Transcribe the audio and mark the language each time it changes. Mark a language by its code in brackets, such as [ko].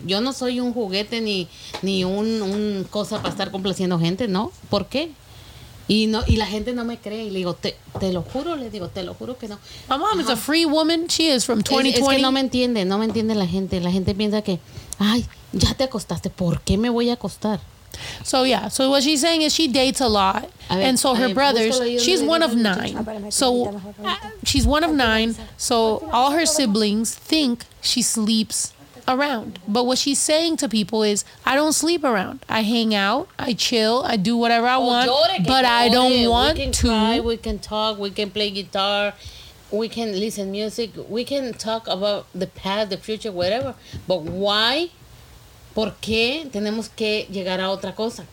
[es] Yo no soy un juguete ni un cosa para estar complaciendo gente, ¿no? ¿Por qué? Y no y la gente no me cree y le digo te lo juro le digo te lo juro que no. [en] My mom is a free woman. She is from 2020. [es] Es que no me entiende la gente. La gente piensa que ay, ya te acostaste, ¿por qué me voy a acostar? [en] So yeah, so what she's saying is she dates a lot. And so her brothers, she's one of nine. So she's one of nine. So all her siblings think she sleeps around. But what she's saying to people is, I don't sleep around. I hang out, I chill, I do whatever I want, but I don't want to. We can cry, we can talk, we can play guitar, we can listen music, we can talk about the past, the future, whatever. But why? [es] ¿Por qué tenemos que llegar a otra cosa?